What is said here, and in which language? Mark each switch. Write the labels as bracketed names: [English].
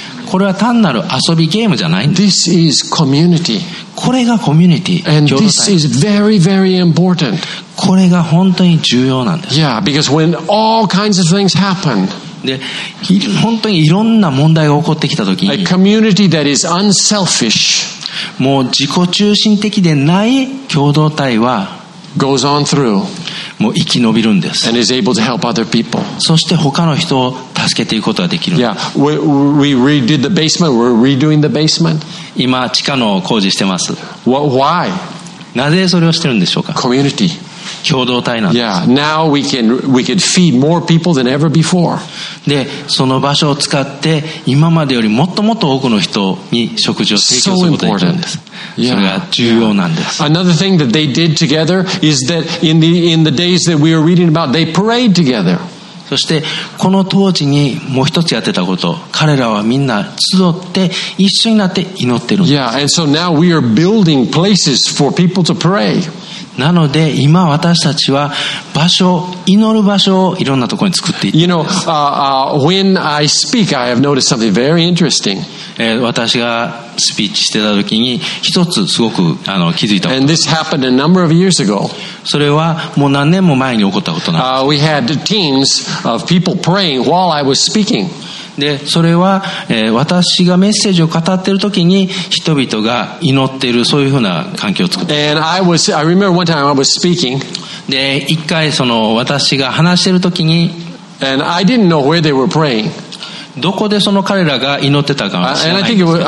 [Japanese] これは単なる遊びゲームじゃないんです。 [English] This is community. [Japanese] これがコミュニティ、 [English] And this is very, very important. [Japanese] これが本当に重要なんです。 [English] Yeah, because when all kinds of things happen, [Japanese] で、本当にいろんな問題が起こってきた時に、 [English] a community that is unselfish, [Japanese] もう自己中心的でない共同体は、 [English] goes on through, [Japanese] もう生き延びるんです。 [English] And is able to help other people. [Japanese] そして他の人を助けていくことができる。 [English] Yeah, we redid the basement, we're redoing the basement. [Japanese] 今地下の工事してます。 [English] Why? [Japanese] なぜそれをしてるんでしょうか。 [English] Community. [Japanese] 共同体なんです。 [English] Yeah. Now we can feed more people than ever before. [Japanese] で、その場所を使って今までよりもっともっと多くの人に食事を提供することができるんです。 [English] Yeah. [Japanese] それが重要なんです。 [English] Yeah. Another thing that they did together is that in the days that we are reading about, they prayed together. [Japanese] そしてこの当時にもう一つやってたこと、彼らはみんな集って一緒になって祈ってるんです。 [English] Yeah, and so now we are building places for people to pray. [Japanese] なので今私たちは場所、祈る場所をいろんなところに作っていて。 [English] You know, when I speak, I have noticed something very interesting. [Japanese] 私がスピーチしてた時に一つすごく気づいたこと。 [English] And this happened a number of years ago. [Japanese] それはもう何年も前に起こったことなんです。 [English] We had teams of people praying while I was speaking. [Japanese] で、それは、私がメッセージを語っているときに人々が祈っているそういうふうな環境を作った。 [English] And I remember one time I was speaking. [Japanese] で、一回その私が話しているときに、 [English] And I didn't know where they were praying. [Japanese] どこでその彼らが祈ってたかは知らないんですけども。